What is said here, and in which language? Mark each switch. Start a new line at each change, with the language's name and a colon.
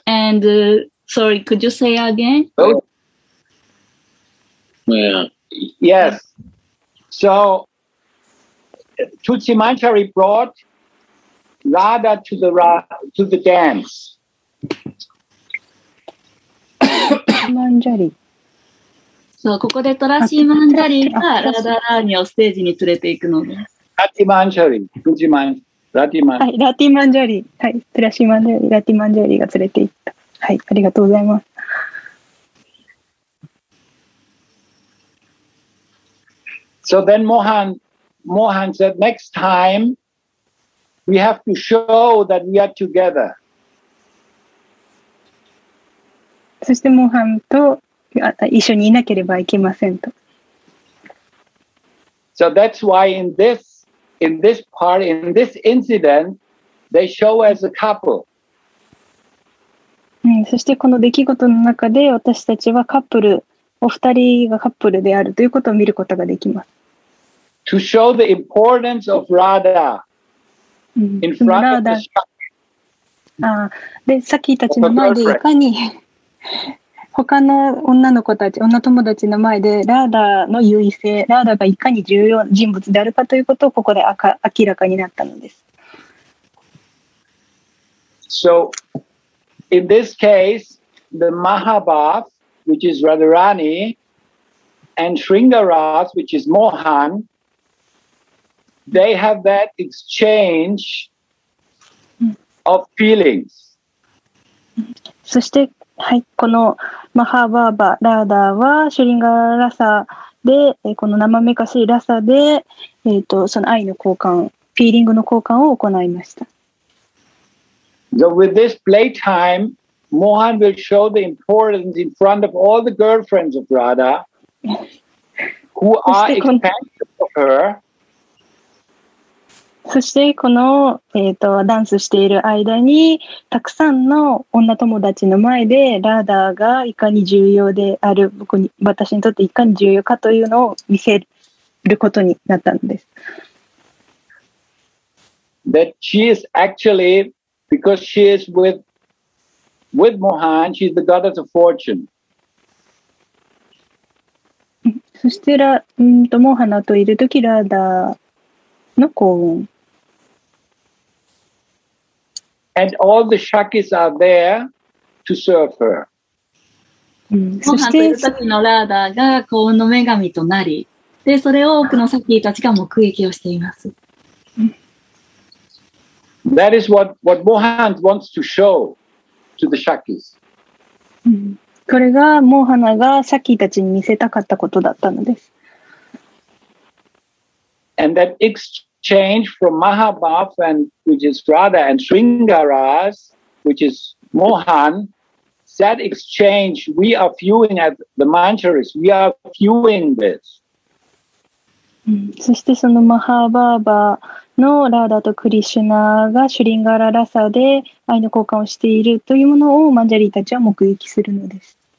English: And sorry, could you say again? Oh. Yeah. Yes. So Tulsi Manjari brought Radha to the dance. Manjari.
Japanese: So, ここでトラシーマンジャリーがラダラーニをステージに連れていくのです。ラティマンジャリー、トゥジマン、ラティマン。はい、ラティマンジャリー、はい、トラシーマンジャリー、ラティマンジャリーが連れていった。はい、ありがとうございます。
English: So then Mohan said, next time we have to show that we are together.
Japanese: そしてモハンと一緒にいなければいけませんと。
English: So that's why in this part, in this incident, they show as a couple.
Japanese: そしてこの出来事の中で私たちはカップル、お二人がカップルであるということを見ることができます。
English: To show the importance of Radha in front of the shop.
Japanese: ああ、で、さっきたちの前でいかに他の女の子たち、女友達の前でラーダの優位性、ラーダがいかに重要人物であるかということをここで明らかになったのです。
English: So, in this case, the Mahabhav, which is Radharani, and Sringaras, which is Mohan,They have that exchange of feelings.
Japanese: そして、はい、このマハバーバ・ラーダーはシュリンガーラサで、この生めかしいラサで、その愛の交換、フィーリングの交換を行いました。
English: So with this playtime, Mohan will show the importance in front of all the girlfriends of Radha. who are expected of her。
Japanese: そしてこの、ダンスしている間にたくさんの女友達の前でラーダーがいかに重要である、僕に、私にとっていかに重要かというのを見せることになったんです。
English: That she is actually, because she is with Mohan, she is the goddess of fortune。
Japanese: そしてモハナといるときラーダーの幸運。
English: And all the Shakis are there to serve her.
Japanese: モハンという時のラーダーが幸運の女神となり、で、それを多くのサッキーたちが目撃をしています。
English: That is what Mohan wants to show to the Shakis.
Japanese: これがモハナがサッキーたちに見せたかったことだったのです。
English: And that exchange from Mahabhav, and which is Radha, and Sringaras, which is Mohan, that exchange we are viewing at the Mancharis. We are viewing this.
Japanese: そしてそのマハバーバのラーダとクリシュナがシュリンガララサで愛の交換をしているというものをマンジャリーたちは目撃するのです。